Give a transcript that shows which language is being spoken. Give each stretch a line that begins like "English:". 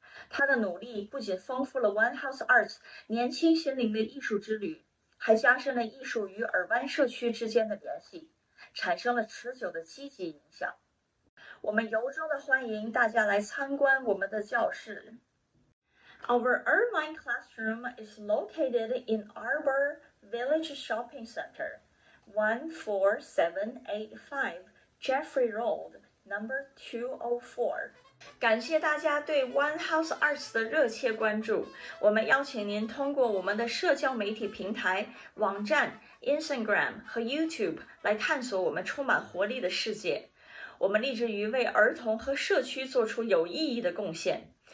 Chinese: 她的努力不仅丰富了 One House Arts 年轻心灵的艺术之旅，还加深了艺术与尔湾社区之间的联系，产生了持久的积极影响。我们由衷地欢迎大家来参观我们的教室。
English: Our Irvine classroom is located in Arbor Village Shopping Center, 14785 Jeffrey Road, number 204.
Chinese: 感谢大家对 One House Arts 的热切关注。我们邀请您通过我们的社交媒体平台、网站、Instagram 和 YouTube 来探索我们充满活力的世界。我们立志于为儿童和社区做出有意义的贡献。